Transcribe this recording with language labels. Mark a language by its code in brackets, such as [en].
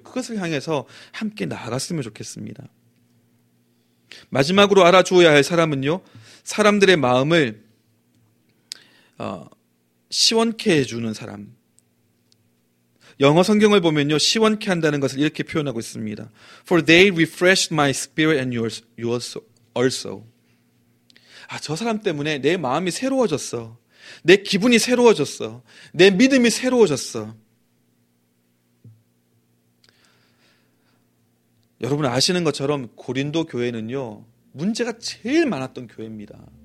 [ko] 그것을 향해서 함께 나아갔으면 좋겠습니다. 마지막으로 알아주어야 할 사람은요 사람들의 마음을 시원케 해주는 사람. 영어 성경을 보면요 시원케 한다는 것을 이렇게 표현하고 있습니다. [en] For they refreshed my spirit and yours also. [ko] 아, 저 사람 때문에 내 마음이 새로워졌어. 내 기분이 새로워졌어. 내 믿음이 새로워졌어. 여러분 아시는 것처럼 고린도 교회는요 문제가 제일 많았던 교회입니다.